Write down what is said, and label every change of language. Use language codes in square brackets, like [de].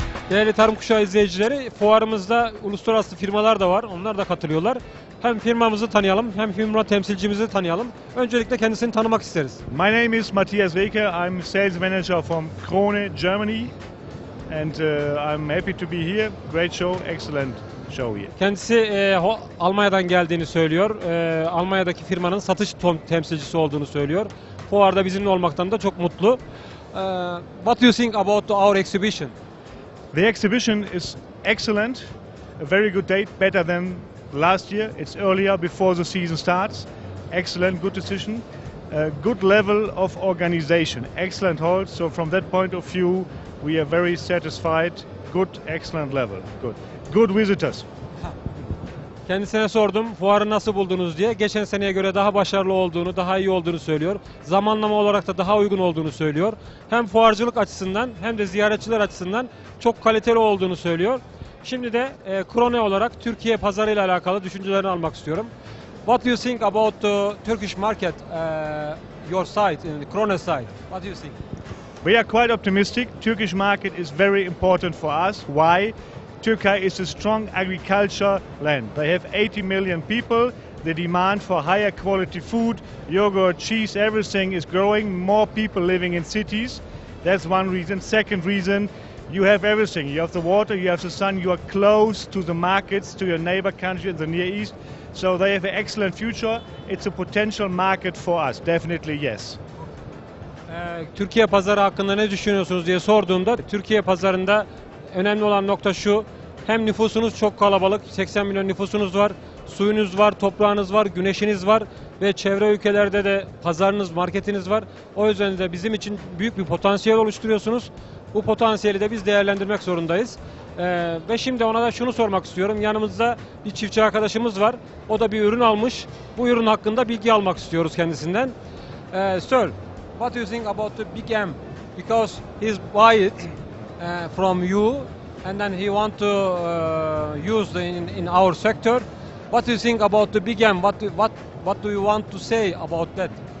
[tr] Değerli Tarım Kuşağı izleyicileri, fuarımızda uluslararası firmalar da var. Onlar da katılıyorlar. Hem firmamızı tanıyalım, hem firma temsilcimizi tanıyalım. Öncelikle kendisini tanımak isteriz. [en] My name is Matthias Weke. I'm sales manager from Krone, Germany. And I'm happy to be here. Great show, excellent show here. [tr] Kendisi Almanya'dan geldiğini söylüyor. Almanya'daki firmanın satış temsilcisi olduğunu söylüyor. Fuarda bizimle olmaktan da çok mutlu. [en] What do you think about our exhibition? The exhibition is excellent, a very good date, better than last year. It's earlier, before the season starts. Excellent, good decision. Good level of organization, excellent hold. So from that point of view, we are very satisfied. Good, excellent level. Good. Good visitors. [tr] Kendisine sordum, fuarı nasıl buldunuz diye. Geçen seneye göre daha başarılı olduğunu, daha iyi olduğunu söylüyor. Zamanlama olarak da daha uygun olduğunu söylüyor. Hem fuarcılık açısından hem de ziyaretçiler açısından çok kaliteli olduğunu söylüyor. Şimdi de Krone olarak Türkiye pazarıyla alakalı düşüncelerini almak istiyorum. [en] What do you think about the Turkish market, your side, in Krone side? What do you think? We are quite optimistic. Turkish market is very important for us. Why? Turkey is a strong agriculture land. They have 80 million people. The demand for higher quality food, yogurt, cheese, everything is growing. More people living in cities. That's one reason. Second reason, you have everything. You have the water, you have the sun, you are close to the markets, to your neighbor country in the Near East. So they have an excellent future. It's a potential market for us. Definitely yes. [tr] Türkiye pazarı hakkında ne düşünüyorsunuz diye sorduğumda Türkiye pazarında önemli olan nokta şu, hem nüfusunuz çok kalabalık, 80 milyon nüfusunuz var, suyunuz var, toprağınız var, güneşiniz var ve çevre ülkelerde de pazarınız, marketiniz var. O yüzden de bizim için büyük bir potansiyel oluşturuyorsunuz. Bu potansiyeli de biz değerlendirmek zorundayız. Ve şimdi ona da şunu sormak istiyorum. Yanımızda bir çiftçi arkadaşımız var. O da bir ürün almış. Bu ürün hakkında bilgi almak istiyoruz kendisinden. [en] Sir, what do you think about the Big M? Because he's buy it. From you, and then he want to use in our sector. What do you think about the Big M? What do you want to say about that?